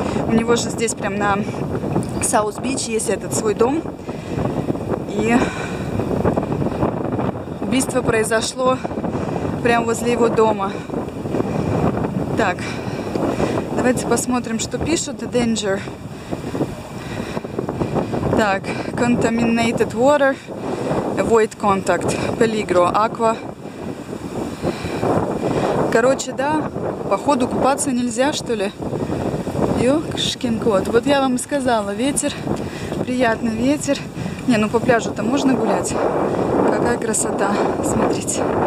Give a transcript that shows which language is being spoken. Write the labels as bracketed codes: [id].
[ru] У него же здесь прям на Саус-Бич есть этот свой дом. И убийство произошло прямо возле его дома. Так, давайте посмотрим, что пишут. [en] The danger. [ru] Так, [en] contaminated water. Avoid contact. [es] Peligro. Aqua. [ru] Короче, да, походу купаться нельзя, что ли? Ёкшкин кот. Вот я вам и сказала, ветер, приятный ветер. Не, ну по пляжу-то можно гулять. Какая красота, смотрите.